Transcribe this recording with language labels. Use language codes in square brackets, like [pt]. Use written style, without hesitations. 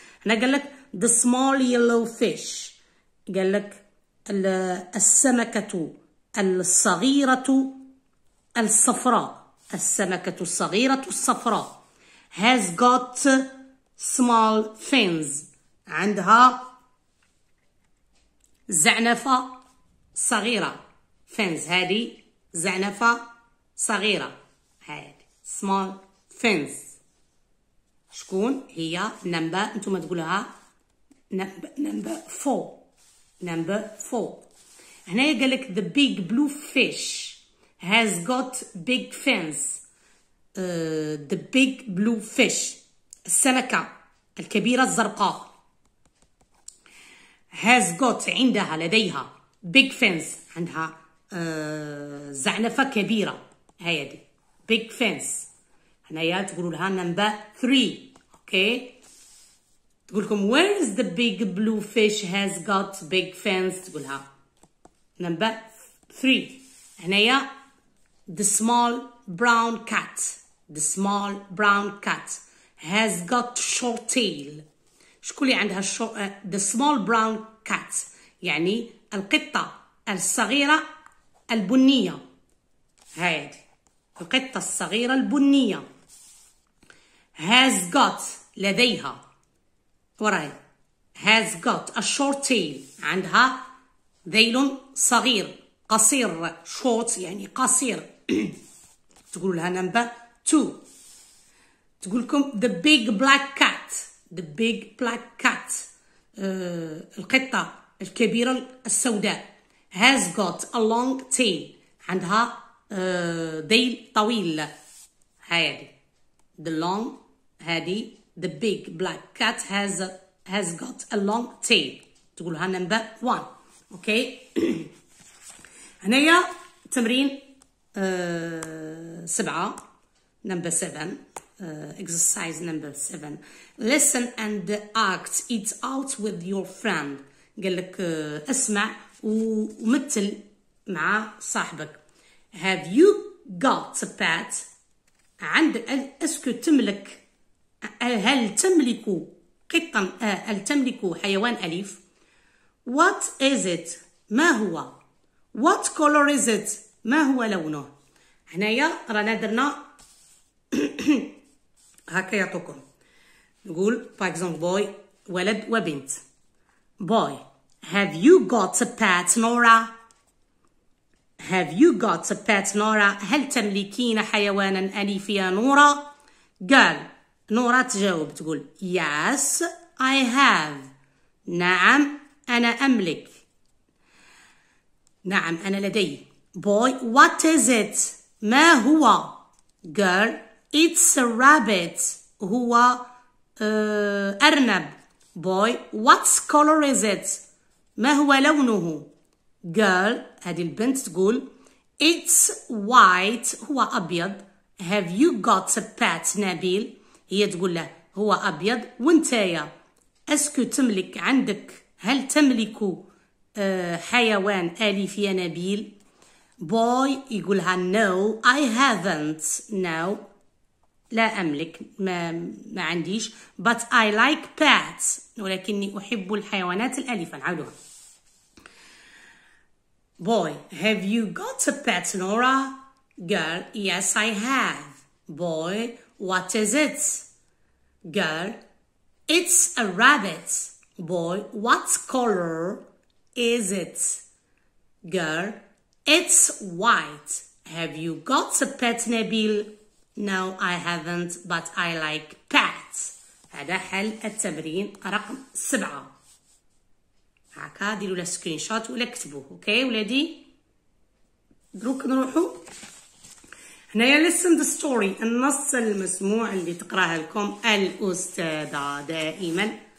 [ar] هنا قال لك [en] the small yellow fish، [ar] قال لك السمكة الصغيرة الصفراء، السمكة الصغيرة الصفراء [en] has got small fins، [ar] عندها زعنفة صغيرة. fins هذه زعنفة صغيرة، هاد [en] small fins. [ar] شكون هي نمبة؟ انتم تقولها [en] number four. [ar] هنا يقلك [en] the big blue fish has got big fins. The big blue fish، [ar] السمكة الكبيرة الزرقاء، [en] has got [ar] عندها لديها [en] big fins، [ar] عندها زعنفة كبيرة. هيا دي [en] big fins. [ar] هنايا تقولوا لها number 3. اوكي تقول لكم [en] where is the big blue fish has got big fins، تقولها number 3. هنايا the small brown cat، the small brown cat has got short tail. [ar] شكون اللي عندها [en] the small brown cat؟ [ar] يعني القطة الصغيرة البنية. هيا دي القطة الصغيرة البنية [en] has got [ar] لديها وراي [en] has got a short tail، [ar] عندها ذيل صغير قصير، short يعني قصير. تقول لها number 2. تقول لكم [en] the big black cat، the big black cat [ar] القطة الكبيرة السوداء [en] has got a long tail، [ar] عندها ذيل طويل. [en] هادي the long، هادي the big black cat has got a long tail، تقولها number 1. [ar] اوكي هنايا تمرين 7 [en] number 7 exercise number 7 listen and act it out with your friend. [ar] قال لك اسمع ومثل مع صاحبك. [en] Have you got a pet؟ [ar] عندك اسكو تملك، هل تملك قطا، هل تملك حيوان اليف؟ [en] What is it؟ [ar] ما هو؟ [en] What color is it؟ [ar] ما هو لونه؟ هنايا رانا درنا هكا يعطوكم نقول [en] for example boy [ar] ولد وبنت. [en] Boy have you got a pet Nora؟ Have you got a pet Nora؟ [ar] هل تملكين حيوانا أليف يا نورا؟ قال نورا تجاوب تقول [en] Yes I have، [ar] نعم أنا أملك، نعم أنا لدي. [en] Boy what is it؟ [ar] ما هو؟ [en] Girl it's a rabbit، [ar] هو أرنب. [en] Boy what color is it؟ [ar] ما هو لونه؟ [en] Girl [ar] هذه البنت تقول [en] It's white، [ar] هو أبيض. [en] Have you got a pet نبيل؟ [ar] هي تقول له هو أبيض. وانت يا أسكو تملك، عندك، هل تملك حيوان أليف يا نبيل؟ Boy يقولها [en] No I haven't، [ar] No لا أملك، ما عنديش. [en] But I like pets، [ar] ولكني أحب الحيوانات الأليفة. نعاودوها. [en] Boy, have you got a pet, Nora? Girl, yes, I have. Boy, what is it? Girl, it's a rabbit. Boy, what color is it? Girl, it's white. Have you got a pet, Nabil? No, I haven't, but I like pets. [ar] هذا حل التمرين رقم 7. هكا ديروا له سكرين شوت ولا كتبوه. اوكي ولادي دروك نروحوا. هنايا [en] listen the story، [ar] النص المسموع اللي تقراه لكم الأستاذة دائما.